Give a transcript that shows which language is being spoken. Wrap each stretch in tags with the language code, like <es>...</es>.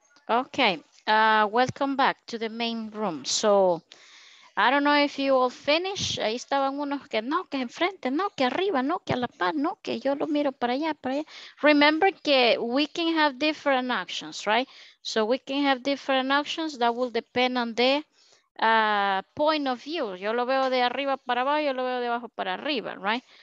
<en>Okay, welcome back to the main room. So, I don't know if you all finish.</en> <es>Ahí estaban unos que no, que enfrente, no, que arriba, no, que a la par, no, que yo lo miro para allá, para allá.</es> <en>Remember que we can have different actions, right? So we can have different actions that will depend on the point of view.</en> <es>Yo lo veo de arriba para abajo, yo lo veo de abajo para arriba, right?</es>